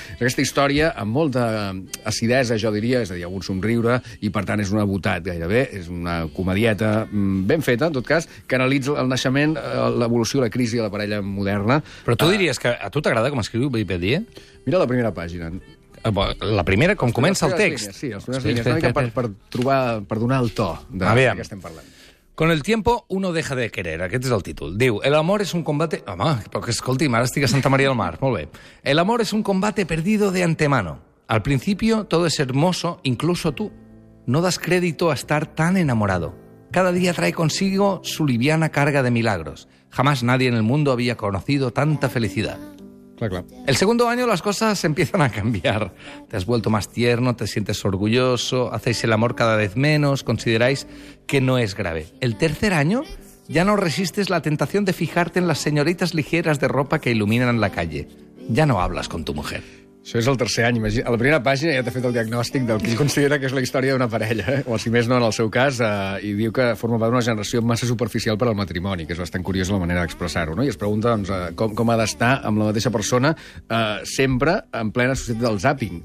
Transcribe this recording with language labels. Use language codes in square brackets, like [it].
[ca] Aquesta història, amb molta acidesa, jo diria, és a dir, algun somriure, i per tant és una butat gairebé, és una comedieta ben feta, en tot cas, que analitza el naixement, l'evolució, la crisi de la parella moderna. Però tu diries que a tu t'agrada com escriu Wikipedia? Mira la primera pàgina. La primera, com comença el text? Sí, les primeres línies, una mica per donar el to de què estem parlant. [es] Con el tiempo uno deja de querer. [ca] Aquest és el títol. Diu, [es] el amor es un combate... [ca] Home, però que escolti'm, ara estic a Santa Maria del Mar. Molt bé. [es] El amor es un combate perdido de antemano. Al principio todo es hermoso, incluso tú. No das crédito a estar tan enamorado. Cada día trae consigo su liviana carga de milagros. Jamás nadie en el mundo había conocido tanta felicidad. [ca] Clar, clar. [es] El segundo año las cosas empiezan a cambiar. Te has vuelto más tierno, te sientes orgulloso, hacéis el amor cada vez menos, consideráis que no es grave. El tercer año ya no resistes la tentación de fijarte en las señoritas ligeras de ropa que iluminan la calle. Ya no hablas con tu mujer. [ca] Això és el tercer any. A la primera pàgina ja t'ha fet el diagnòstic del que considera que és la història d'una parella, eh? O si més no, en el seu cas, i diu que forma part d'una generació massa superficial per al matrimoni, que és bastant curiós la manera d'expressar-ho, no? I es pregunta, doncs, com ha d'estar amb la mateixa persona sempre en plena societat del zapping.